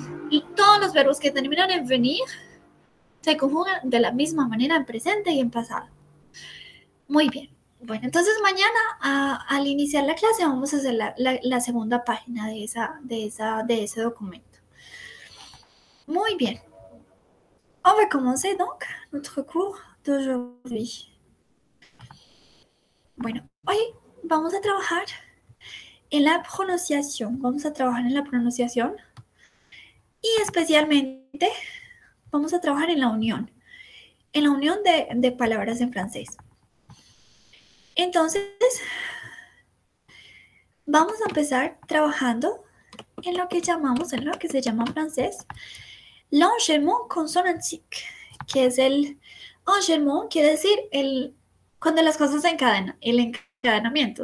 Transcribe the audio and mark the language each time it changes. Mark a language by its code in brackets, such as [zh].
[es] Y todos los verbos que terminan en venir se conjugan de la misma manera en presente y en pasado. Muy bien. Bueno, entonces mañana al iniciar la clase vamos a hacer la segunda página de ese documento. Muy bien. [fr] On va commencer donc notre cours d'aujourd'hui. [es] Bueno, hoy vamos a trabajar en la pronunciación. Vamos a trabajar en la pronunciación y especialmente vamos a trabajar en la unión. En la unión de palabras en francés. Entonces, vamos a empezar trabajando en lo que se llama en francés, l'enchaînement consonantique, que es el enchaînement, quiere decir cuando las cosas se encadenan, el encadenamiento.